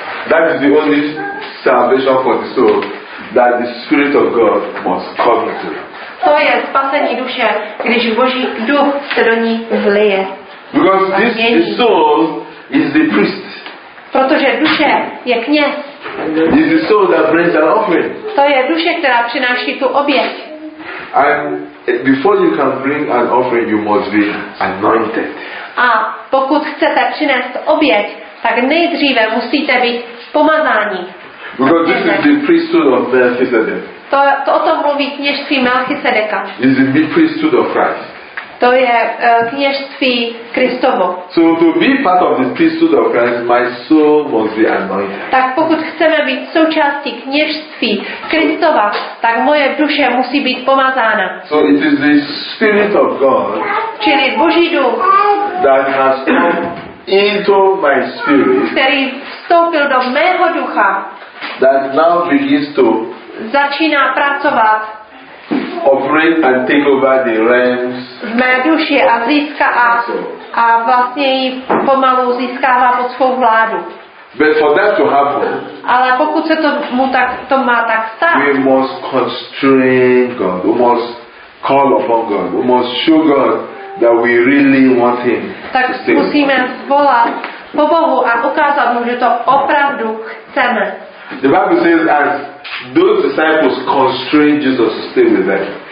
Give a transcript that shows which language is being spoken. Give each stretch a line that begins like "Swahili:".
English: That is the only salvation for the soul that the Spirit of God must come into.
Czech: To je spasení duše, když Boží duch se do ní vlije.
English: Because this the soul is the priest.
Czech: Protože duše je kněz.
English: This is the soul that brings an offering.
Czech: To je duše, která přináší tu oběť.
English: And before you can bring an offering, you must be anointed.
Czech: A pokud chcete přinést oběť, tak nejdříve musíte být pomazání.
English: Because this is the priesthood of Melchizedek.
Czech: To o tom mluví kněžství Melchizedeka.
English: Is the big priesthood of Christ.
Czech: To je kněžství Kristovo.
English: So to be part of the priesthood of Christ, my soul must be anointed.
Czech: Tak pokud chceme být součástí kněžství Kristova, tak moje duše musí být pomazána.
English: So it is the Spirit of God.
Czech: Čili Boží duch.
English: That has come into my spirit.
Czech: Který vstoupil do mého ducha.
English: That now begins to
Czech: začíná pracovat.
English: Operate and take over the realms.
Czech: V mé duši a získá a vlastně ji pomalu získává pod svou vládu.
English: But for that to happen,
Czech: ale pokud se to mu tak to má tak stát.
English: We must constrain God. We must call upon God. We must show God that we really want Him.
Czech: Tak musíme volat po Bohu a ukázat mu, že to opravdu chceme.
English: The Bible says, as those disciples constrained Jesus to stay with them.